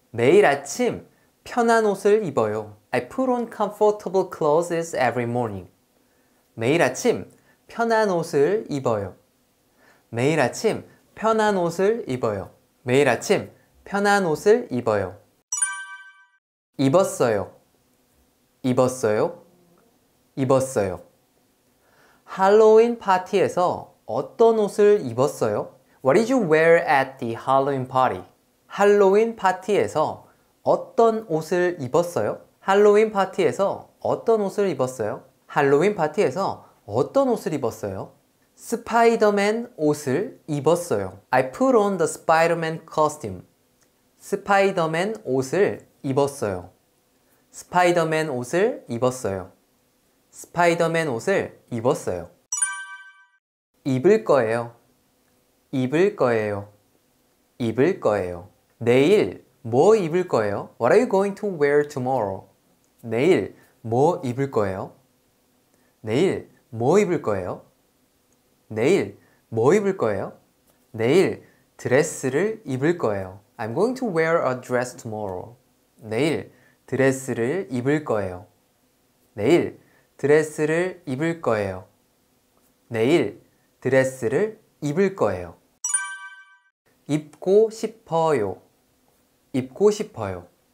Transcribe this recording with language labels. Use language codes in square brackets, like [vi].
[ko] 매일 아침 편한 옷을 입어요. [en] I put on comfortable clothes every morning. [ko] 매일 아침 편한 옷을 입어요. 매일 아침 편한 옷을 입어요. 매일 아침 편한 옷을 입어요. 입었어요. 입었어요. 입었어요. 할로윈 파티에서 어떤 옷을 입었어요? [en] What did you wear at the Halloween party? [ko] 할로윈 파티에서 어떤 옷을 입었어요? 할로윈 파티에서 어떤 옷을 입었어요? 할로윈 파티에서 어떤 옷을 입었어요? 스파이더맨 옷을 입었어요. [en] I put on the Spider-Man costume. [ko] 스파이더맨 옷을 입었어요. 스파이더맨 옷을 입었어요. 스파이더맨 옷을 입었어요. 입을 거예요. 입을 거예요. 입을 거예요. 내일 뭐 입을 거예요? [en] What are you going to wear tomorrow? [ko] 내일 뭐 입을 거예요? 내일 뭐 입을 거예요? 내일 뭐 입을 거예요? 내일 드레스를 입을 거예요. [en] I'm going to wear a dress tomorrow. [ko] 내일 드레스를 입을 거예요. 내일 드레스를 입을 거예요. 내일 드레스를 입을 거예요. 입고 싶어요. 입고 싶어요.